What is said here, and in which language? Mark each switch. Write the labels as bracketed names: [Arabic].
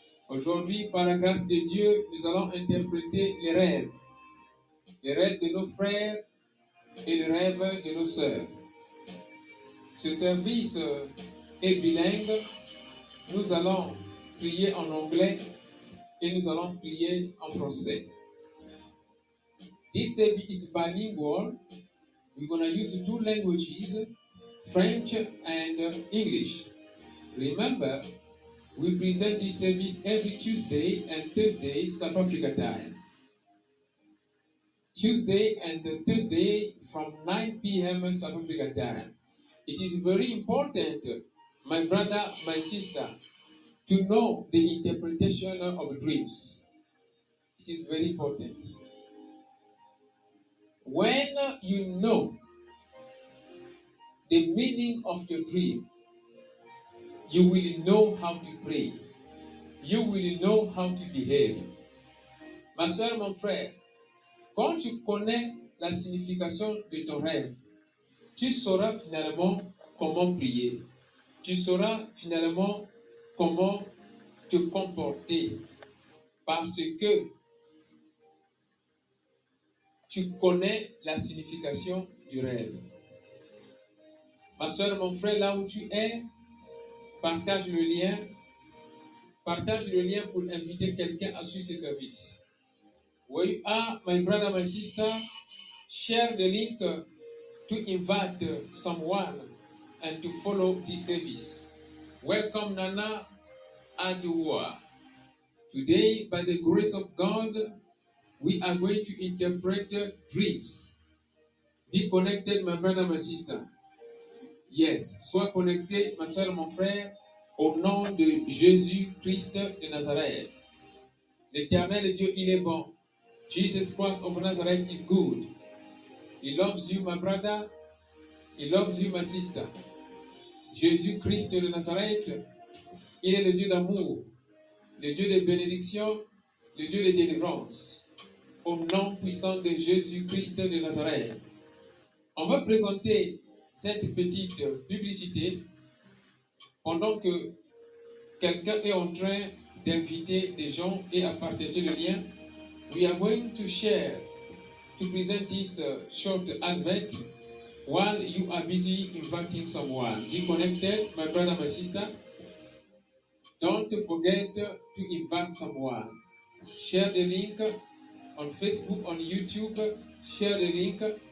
[French] Aujourd'hui, par la grâce de Dieu, nous allons interpréter les rêves de nos frères et les rêves de nos sœurs. Ce service est bilingue. Nous allons prier en anglais et nous allons prier en français. [English] This service is bilingual. We're going to use two languages, French and English. Remember, we present this service every Tuesday and Thursday, South Africa time. Tuesday and Thursday from 9 p.m. South Africa time. It is very important, my brother, my sister, To know the interpretation of dreams, it is very important. When you know the meaning of your dream, you will know how to pray. You will know how to behave. [French] Ma soeur, mon frère, quand tu connais la signification de ton rêve, tu sauras finalement comment prier. Tu sauras finalement comment te comporter parce que tu connais la signification du rêve. Ma soeur, mon frère, là où tu es, partage le lien. Partage le lien pour inviter quelqu'un à suivre ce service. [English] Where you are, my brother, my sister, share the link to invite someone and to follow this service. Welcome, Nana Adua. Today, by the grace of God, we are going to interpret dreams. Be connected, my brother, my sister. [French] Yes, sois connecté, ma soeur, mon frère, au nom de Jésus-Christ de Nazareth. L'Éternel Dieu, il est bon. [English] Jesus Christ of Nazareth is good. He loves you, my brother. He loves you, my sister. [French] Jésus-Christ de Nazareth, il est le Dieu d'amour, le Dieu de bénédiction, le Dieu de délivrance. Au nom puissant de Jésus-Christ de Nazareth. On va présenter cette petite publicité pendant que quelqu'un est en train d'inviter des gens et à partager le lien. [English] We are going to share, to present this short advert while you are busy inviting someone. Be connected, my brother, my sister. Don't forget to invite someone. Share the link on Facebook, on YouTube. Share the link.